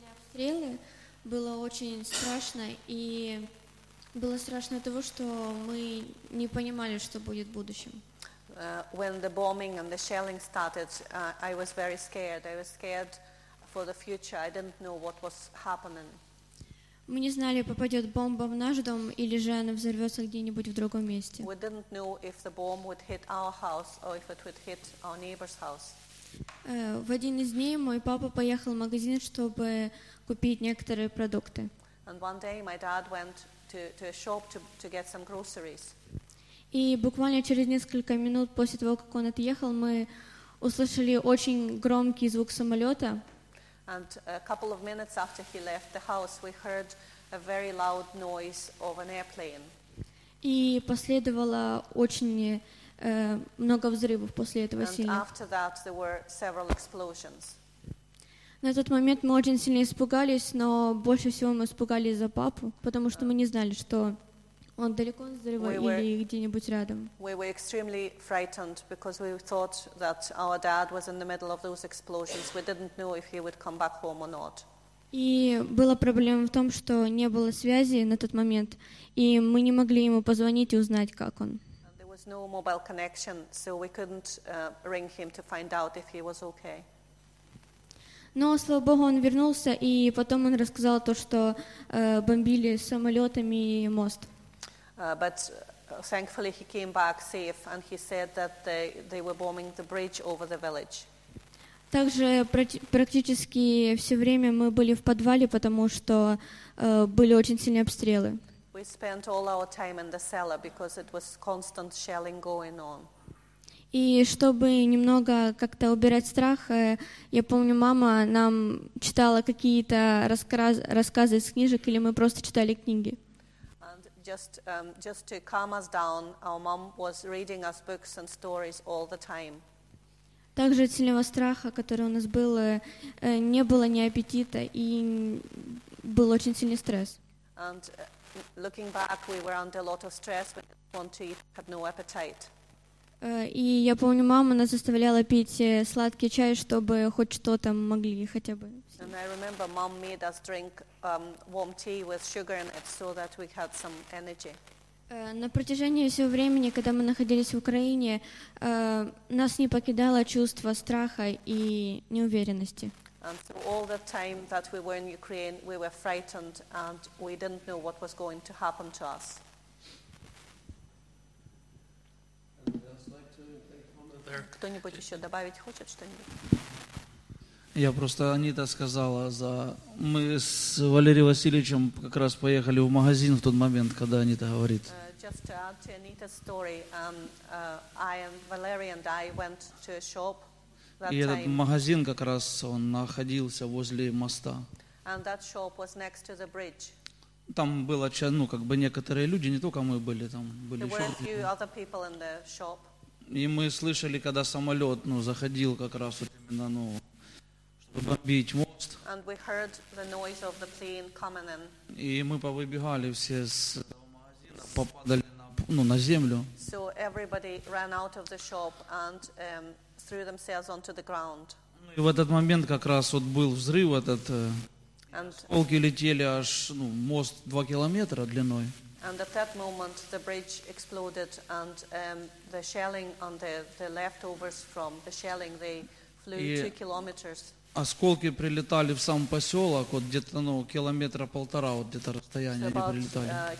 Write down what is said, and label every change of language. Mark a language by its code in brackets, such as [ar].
[ru] Стрелы было очень страшно, и было страшно того, что мы не понимали, что будет в будущем. [en] When the bombing and the shelling started, I was very scared. I was scared for the future. I didn't know what was happening. [ru] Мы не знали, попадет бомба в наш дом или же она взорвется где-нибудь в другом месте. [en] We didn't know if the bomb would hit our house or if it would hit our neighbor's house. [ru] В один из дней мой папа поехал в магазин, чтобы купить некоторые продукты. [en] And one day my dad went to a shop to get some groceries. [ru] И буквально через несколько минут после того, как он отъехал, мы услышали очень громкий звук самолета. [en] And a couple of minutes after he left the house, we heard a very loud noise of an airplane. [ru] И последовало очень много взрывов после этого сильно. [en] And after that, there were several explosions. [ru] На тот момент мы очень сильно испугались, но больше всего мы испугались за папу, потому что мы не знали, что он далеко от взрыва или где-нибудь рядом. [en] We were extremely frightened because we thought that our dad was in the middle of those explosions. We didn't know if he would come back home or not. [ru] И была проблема в том, что не было связи на тот момент, и мы не могли ему позвонить и узнать, как он. [en] There was no mobile connection, so we couldn't ring him to find out if he was okay. [ru] Но, слава Богу, он вернулся, и потом он рассказал то, что бомбили самолетами и мост. [en] But thankfully he came back safe, and he said that they were bombing the bridge over the village. [ru] Также практически все время мы были в подвале, потому что были очень сильные обстрелы. [en] We spent all our time in the cellar because it was constant shelling going on. [ru] И чтобы немного как-то убирать страх, я помню, мама нам читала какие-то рассказы из книжек, или мы просто читали книги. [en] Just to calm us down, our mom was reading us books and stories all the time. [ru] Также от сильного страха, который у нас был, не было ни аппетита, и был очень сильный стресс. [en] And looking back, we were under a lot of stress. We didn't want to eat, had no appetite. [ru] И я помню, мама нас заставляла пить сладкий чай, чтобы хоть что-то могли хотя бы. [en] And I remember mom made us drink warm tea with sugar in it so that we had some energy. [ru] На протяжении всего времени, когда мы находились в Украине, нас не покидало чувство страха и неуверенности. [en] And so all the time that we were in Ukraine, we were frightened and we didn't know what was going to happen to us. [ru] Кто-нибудь еще добавить хочет что-нибудь? Я просто Анита сказала, мы с Валерием Васильевичем как раз поехали в магазин в тот момент, когда Анита говорит. [en] Just to add to Anita's story, I and Valerie and I went to a shop that time. [ru] И этот магазин как раз он находился возле моста. [en] And that shop was next to the bridge. [ru] Там было некоторые люди, не только мы были там, были еще. [en] There were a few other people in the shop. [ru] И мы слышали, когда самолет заходил как раз вот именно, чтобы бомбить мост. [en] And we heard the noise of the plane coming in. [ru] И мы повыбегали все с магазина, попадали на землю. [en] So everybody ran out of the shop and threw themselves onto the ground. [ru] И в этот момент как раз вот был взрыв этот. Осколки летели аж, мост 2 километра длиной. [en] And at that moment, the bridge exploded, and the shelling and the leftovers from the shelling, they flew 2 kilometers. [ru] Осколки прилетали в сам поселок, вот где-то, ну, километра полтора, вот где-то расстояние они прилетали.